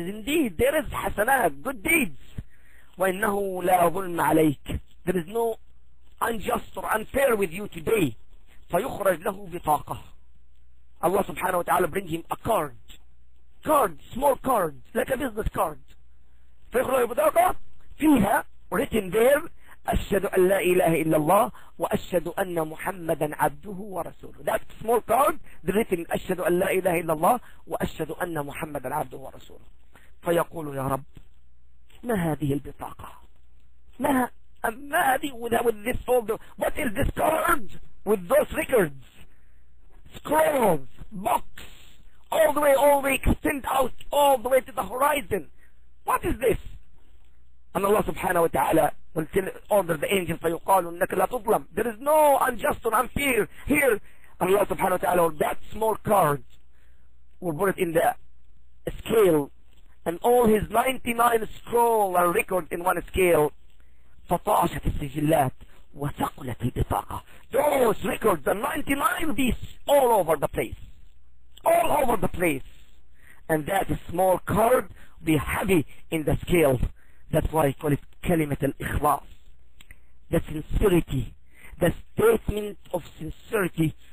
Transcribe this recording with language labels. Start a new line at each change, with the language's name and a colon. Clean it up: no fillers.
English: Indeed, there is حَسَنَات. Good deeds.
Arabic: وَإِنَّهُ لَا ظُلْمَ عَلَيْكَ.
English: There is no unjust or unfair with you today.
Arabic: فَيُخْرَجْ لَهُ بِطَاقَةٍ.
English: Allah subhanahu wa ta'ala bring him a card. Card, small card. Like a business card.
Arabic: فَيُخْرَجْ لَهُ بِطَاقَةٍ. فِيهَا
English: written there,
Arabic: أشهد أن لا إله إلا الله وأشهد أن محمدا عبده ورسوله.
English: That small card written,
Arabic: أشهد أن لا إله إلا الله وأشهد أن محمدا عبده ورسوله. فيقول يا رب ما هذه البطاقة, ما هذه,
English: with this folder, what is this card, with those records, scrolls, books, all the way extend out all the way to the horizon, what is this? And Allah subhanahu wa ta'ala until order the angel
Arabic: فيقال انك لا تظلم.
English: There is no unjust or unfair here. Allah subhanahu wa ta'ala, or that small card will put it in the scale, and all his 99 scroll are record in one scale.
Arabic: فطاشت السجلات وثقلت البطاقة.
English: Those records, the 99 of these, all over the place, all over the place, and that small card be heavy in the scale. That's why I call it
Arabic: كلمة الإخلاص,
English: the sincerity, the statement of sincerity.